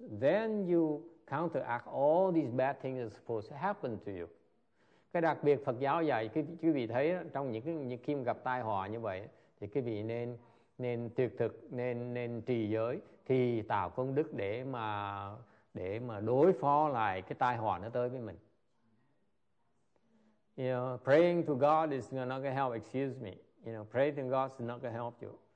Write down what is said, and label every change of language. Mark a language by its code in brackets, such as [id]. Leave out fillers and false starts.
[en] Then you counteract all these bad things that are supposed to happen to you. [vi] Cái đặc biệt Phật giáo dạy, quý vị thấy trong những khi gặp tai họa như vậy, thì quý vị nên tuyệt thực, nên trì giới, thì tạo công đức để mà đối phó lại cái tai họa nó tới với mình. [en] You know, praying to God is not going to help. Excuse me. You know, praying to God is not going to help you.